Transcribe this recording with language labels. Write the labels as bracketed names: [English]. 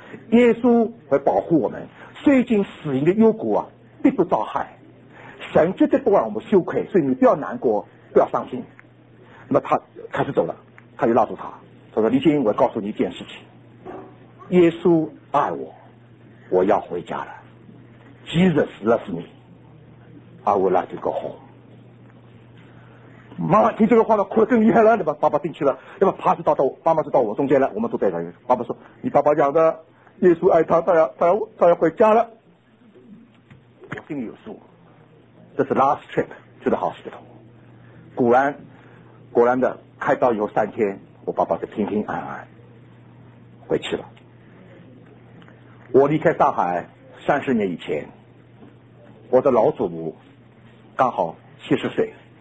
[Chinese] 耶稣会保护我们，虽经死荫的幽谷啊，必不遭害。神绝对不让我们羞愧，所以你不要难过，不要伤心。那么他开始走了，他就拉住他，他说：“黎君，我告诉你一件事情，耶稣爱我，我要回家了。 [English] Jesus loves me, I would like to go home。” [Chinese] 妈妈听这个话呢，哭得更厉害了。那么爸爸进去了，那么爬着到妈妈就到我中间了，我们都在那里。爸爸说：“你爸爸讲的。” 耶稣爱他，他要回家了。我心里有数，这是 [English] last trip to the hospital。 [Chinese] 果然的，开刀以后3天，我爸爸就平平安安回去了。我离开上海30年以前，我的老祖母刚好70岁。